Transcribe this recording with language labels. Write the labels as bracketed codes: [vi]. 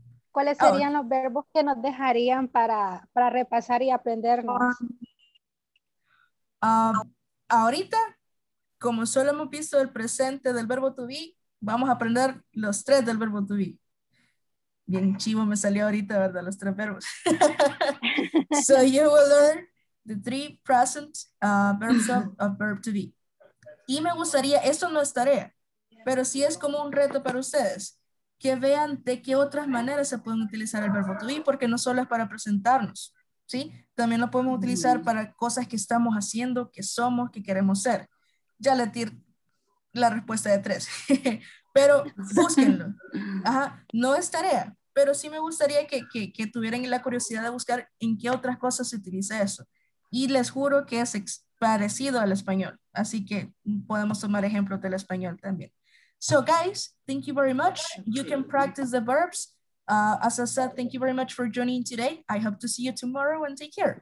[es] ¿Cuáles serían los verbos que nos dejarían para repasar y aprendernos? Ahorita, como solo hemos visto el presente del verbo to be, vamos a aprender los tres del verbo to be. Bien chivo me salió ahorita, ¿verdad? Los tres verbos. [en] So you will learn the three present verbs of verb to be. [es] Y me gustaría, eso no es tarea, pero sí es como un reto para ustedes, que vean de qué otras maneras se pueden utilizar el verbo to be, porque no solo es para presentarnos, ¿sí? También lo podemos utilizar para cosas que estamos haciendo, que somos, que queremos ser. Ya le tiré la respuesta de tres. Pero búsquenlo. Ajá, no es tarea, pero sí me gustaría que tuvieran la curiosidad de buscar en qué otras cosas se utiliza eso. Y les juro que es parecido al español, así que podemos tomar ejemplos del español también. [en] So guys, thank you very much. You can practice the verbs. As I said, thank you very much for joining today. I hope to see you tomorrow and take care.